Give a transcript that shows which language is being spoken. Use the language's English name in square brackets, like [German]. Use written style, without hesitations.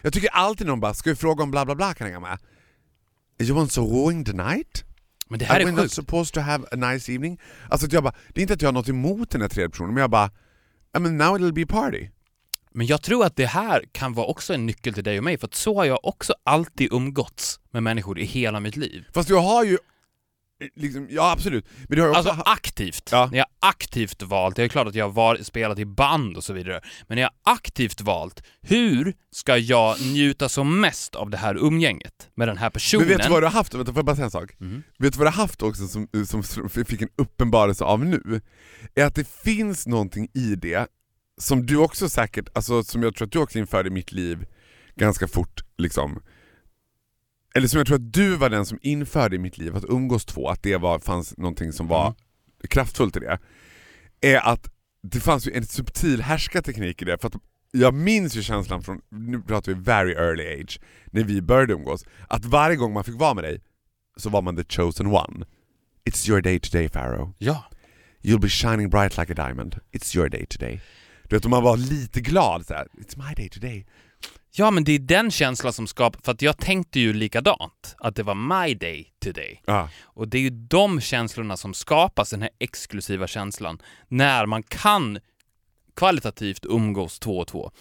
[Swedish] Jag tycker alltid någon bara, ska jag fråga om bla bla bla, kan jag hänga med? [English] You want to ruin the night? [Swedish] Men det här [English] are [Swedish] är [English] we not supposed to have a nice evening? [Swedish] Alltså att jag bara, det är inte att jag har något emot den här tredje personen, men jag bara, [English] I mean, now it'll be a party. [Swedish] Men jag tror att det här kan vara också en nyckel till dig och mig, för att så har jag också alltid umgåtts med människor i hela mitt liv. Fast jag har ju liksom, ja, absolut. Men du har alltså aktivt. Ja. När jag aktivt valt, det är klart att jag har spelat i band och så vidare. Men när jag aktivt valt, hur ska jag njuta som mest av det här umgänget med den här personen? Men vet du vad du har haft? Vänta, får jag bara säga en sak? Mm. Vet du vad du har haft också som fick en uppenbarelse av nu? Är att det finns någonting i det som du också säkert, alltså som jag tror att du också införde i mitt liv ganska fort liksom. Eller som jag tror att du var den som införde i mitt liv att umgås två, att det var, fanns någonting som var kraftfullt i det, är att det fanns ju en subtil härskarteknik i det, för att jag minns ju känslan från, nu pratar vi [English] very early age, [Swedish] när vi började umgås, att varje gång man fick vara med dig, så var man [English] the chosen one. It's your day today, Pharaoh. [Swedish] Ja. [English] You'll be shining bright like a diamond. It's your day today. [Swedish] Du vet, man var lite glad så här. [English] It's my day today. [Swedish] Ja, men det är den känslan som skapar, för att jag tänkte ju likadant, att det var [English] my day today. [Swedish] Ja. Och det är ju de känslorna som skapas, den här exklusiva känslan, när man kan kvalitativt umgås två och två.